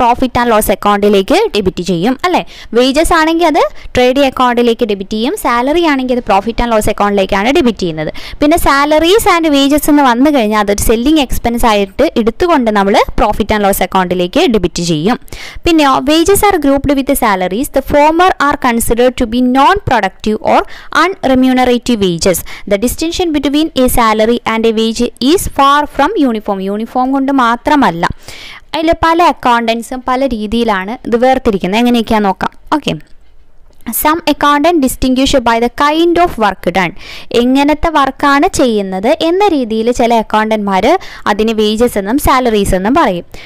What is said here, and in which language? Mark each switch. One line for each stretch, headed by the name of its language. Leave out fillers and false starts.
Malayalam: Profit and loss അക്കൗണ്ടിലേക്ക് debit ചെയ്യും അല്ലേ. വേജസ് ആണെങ്കിൽ അത് ട്രേഡിംഗ് അക്കൗണ്ടിലേക്ക് ഡെബിറ്റ് ചെയ്യും. സാലറി ആണെങ്കിൽ അത് പ്രോഫിറ്റ് ആൻഡ് ലോസ് അക്കൗണ്ടിലേക്കാണ് ഡെബിറ്റ് ചെയ്യുന്നത്. പിന്നെ സാലറീസ് ആൻഡ് വേജസ് എന്ന് വന്നു കഴിഞ്ഞാൽ അതൊരു സെല്ലിംഗ് എക്സ്പെൻസ് ആയിട്ട് എടുത്തുകൊണ്ട് നമ്മൾ പ്രോഫിറ്റ് ആൻഡ് ലോസ് അക്കൗണ്ടിലേക്ക് ഡെബിറ്റ് ചെയ്യും. പിന്നെ
English: Wages are grouped with salaries, the former are considered to be non-productive or unremunerative wages. The distinction between a salary and a wage is far from uniform.
Malayalam: Uniform കൊണ്ട് മാത്രമല്ല, അതിൽ പല അക്കൗണ്ടൻസും പല രീതിയിലാണ് ഇത് വേർതിരിക്കുന്നത്. എങ്ങനെയൊക്കെയാ നോക്കാം.
English: Okay, some accountant distinguish by the kind of work done.
Malayalam: എങ്ങനത്തെ വർക്കാണ് ചെയ്യുന്നത് എന്ന രീതിയിൽ ചില അക്കൗണ്ടൻമാർ അതിന് വേജസ് എന്നും സാലറീസ് എന്നും പറയും.